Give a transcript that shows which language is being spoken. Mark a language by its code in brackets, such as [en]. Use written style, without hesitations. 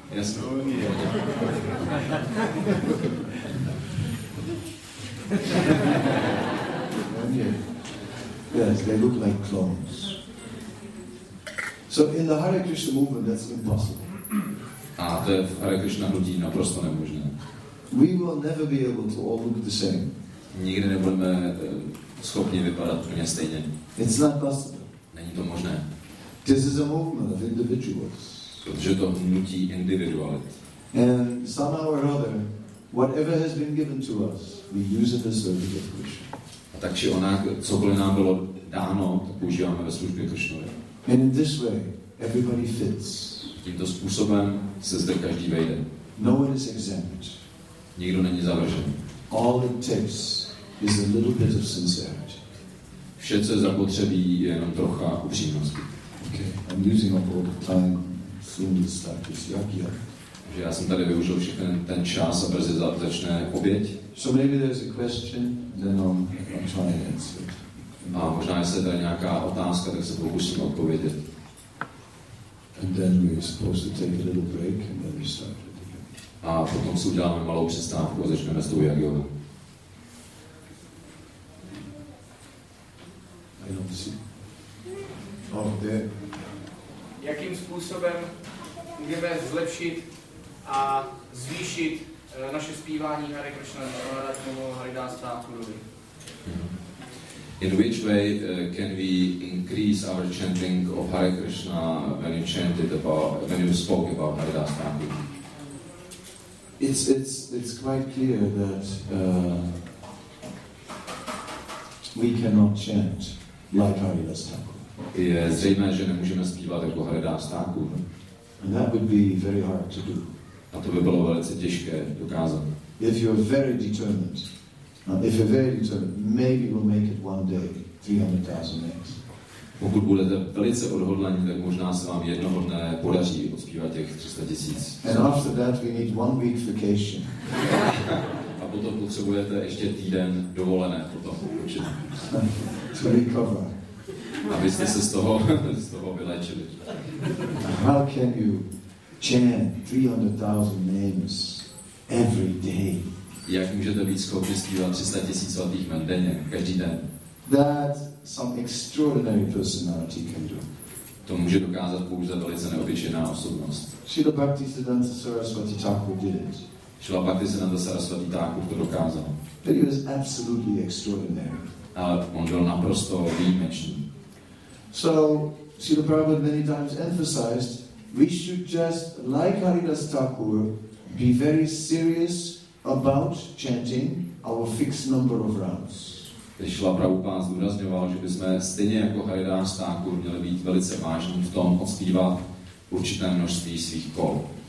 [en] Yes, they look like clones. So in the Hare Krishna movement, that's impossible. [cs] A to je v Hare Krishna hnutí naprosto nemožné. [en] We will never be able to all look the same. [cs] Nikdy nebudeme schopni vypadat úplně stejně. [en] It's not possible. [cs] Není to možné. [en] This is a movement of individuals. [cs] Protože to hnutí individuality. [en] And somehow or other, whatever has been given to us, we use it as service of Krishna. [cs] A tak či onak, cokoliv nám bylo dáno, to používáme ve službě Krishnovi. [en] And in this way, everybody fits. [cs] Tímto způsobem se zde každý vejde. [en] No one is exempt. [cs] Nikdo není zavržen. [en] All it takes is a little bit of sincerity. [cs] Vše, co je zapotřebí, je jenom trocha upřímnosti. [en] Okay, I'm using up all the time. Soon we'll start this yakya. [cs] Takže já jsem tady využil všechny ten čas a brzy začne oběť. [en] So maybe there's a question, then I'll try and answer it. [cs] A možná, jestli tady nějaká otázka, tak se pokusím odpovědět. [en] And then we're supposed to take a little break and then we start it again. [cs] A potom si uděláme malou přestávku a začneme s tou yakyou. [en] I don't see. Oh, [cs] jakým způsobem můžeme zlepšit a zvýšit naše zpívání Hare Krishna Radhakamo Haridasa Kuruvi? [en] In which way can we increase our chanting of Hare Krishna when you chanted about, when you spoke about Haridasa Kuruvi? It's quite clear that we cannot chant like Haridasa. [cs] Je zřejmé, že nemůžeme zpívat jako Haridas Thakur. [en] And that would be very hard to do. [cs] A to by bylo velice těžké dokázat. [en] If you're very determined, maybe we'll make it one day 300,000 eggs. [cs] Pokud budete velice odhodlení, tak možná se vám jednoho dne podaří odspívat těch 300 tisíc. [en] And after that we need 1 week vacation. [cs] A potom potřebujete ještě týden dovolené potom určitě. [en] To recover. [cs] Abyste se z toho vyléčili. [en] How can you chant 300,000 names every day? [cs] Jak můžete být schopni zpívat 300 tisíc svatých jmen denně, každý den? [en] That some extraordinary personality can do. [cs] To může dokázat pouze velice neobyčejná osobnost. [en] Srila Bhaktisiddhanta Saraswati Thakur did it. [cs] Srila Bhaktisiddhanta Saraswati Thakur to dokázal. [en] But he was absolutely extraordinary. [cs] Ale on byl naprosto výjimečný. [en] So, Srila Prabhupada many times emphasized, we should just, like Haridas Thakur, be very serious about chanting our fixed number of rounds. [cs] Když Šila Prabhupáda zdůrazňoval, že bychom stejně jako Haridas Thakur měli být velice vážní v tom odspívat určité množství svých kol.